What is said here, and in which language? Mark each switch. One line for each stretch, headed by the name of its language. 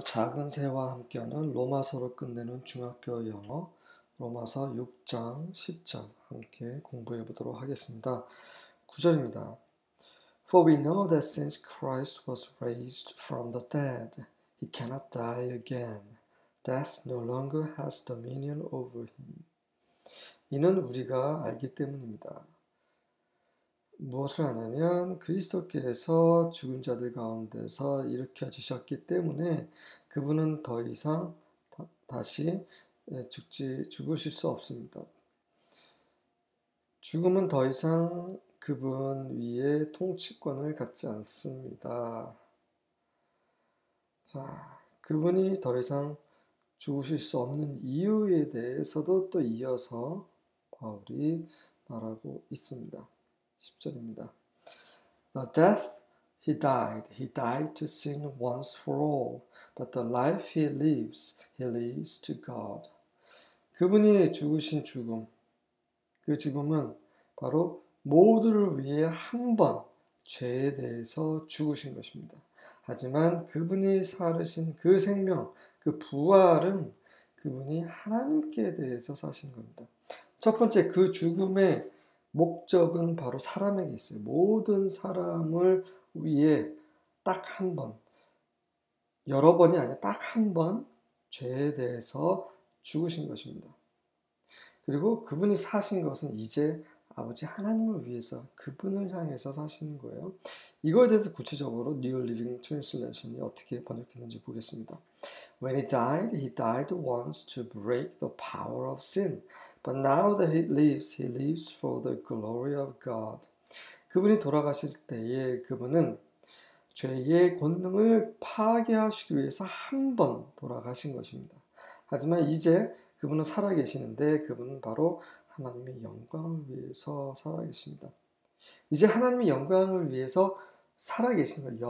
Korean: 작은 새와 함께하는 로마서를 끝내는 중학교 영어 로마서 6장 10절 함께 공부해 보도록 하겠습니다. 9절입니다.
English: For we know that since Christ was raised from the dead, he cannot die again. Death no longer has dominion over him.
Korean: 이는 우리가 알기 때문입니다. 무엇을 아냐면 그리스도께서 죽은 자들 가운데서 일으켜 주셨기 때문에 그분은 더 이상 다시 죽으실 수 없습니다. 죽음은 더 이상 그분 위에 통치권을 갖지 않습니다. 자, 그분이 더 이상 죽으실 수 없는 이유에 대해서도 또 이어서 바울이 말하고 있습니다. 10절입니다.
English: The death he died to sin once for all, but the life he lives to God.
Korean: 그분이 죽으신 죽음, 그 죽음은 바로 모두를 위해 한번 죄에 대해서 죽으신 것입니다. 하지만 그분이 살으신 그 생명, 그 부활은 그분이 하나님께 대해서 사신 겁니다. 첫 번째, 그 죽음의 목적은 바로 사람에게 있어요. 모든 사람을 위해 딱한 번, 여러 번이 아니라 딱한번 죄에 대해서 죽으신 것입니다. 그리고 그분이 사신 것은 이제 아버지 하나님을 위해서 그분을 향해서 사시는 거예요. 이거에 대해서 구체적으로 New Living Translation이 어떻게 번역했는지 보겠습니다.
English: When he died once to break the power of sin. But now that he lives for the glory of God.
Korean: 그분이 돌아가실 때에 그분은 죄의 권능을 파괴하시기 위해서 한번 돌아가신 것입니다. 하지만 이제 그분은 살아계시는데 그분은 바로 하나님의 영광을 위해서 살아계십니다. 이제 하나님의 영광을 위해서 살아계시는 거예요.